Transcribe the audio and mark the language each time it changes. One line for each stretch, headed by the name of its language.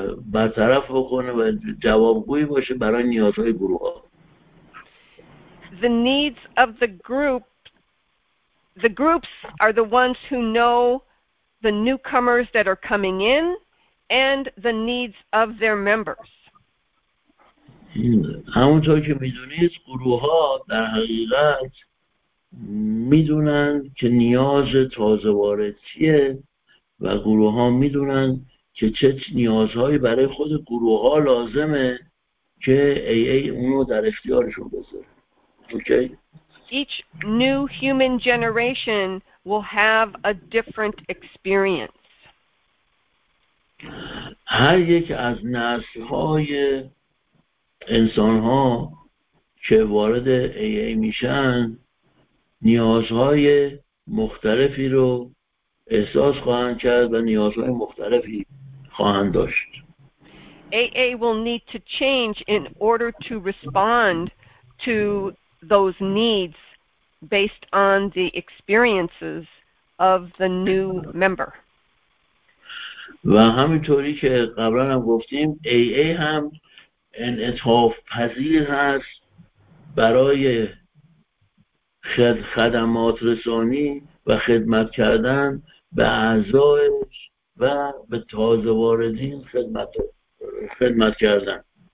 Persian: برطرف بکنه و جوابگویی باشه برای نیازهای گروه ها.
English: The needs of the group, the groups are the ones who know the newcomers that are coming in and the needs of their members.
Persian: همونطور که میدونید گروه ها در حقیقت میدونن که نیاز تازه وارد چیه و گروه ها میدونن که چه نیازهایی برای خود گروه ها لازمه که ای ای اونو در اختیارشون بذاره.
English: Okay. Each new human generation will have a different experience.
Persian: هر یک از نسل‌های انسان‌ها که وارد AA میشن نیازهای مختلفی رو احساس خواهند کرد و نیازهای مختلفی خواهند داشت.
English: AA will need to change in order to respond to those needs based on the experiences of the new member.
Persian: و همینطوری که قبلا هم گفتیم AA هم انعطاف پذیر هست برای خدمات رسانی و خدمت کردن به اعضایش و به تازه واردین خدمت کردن.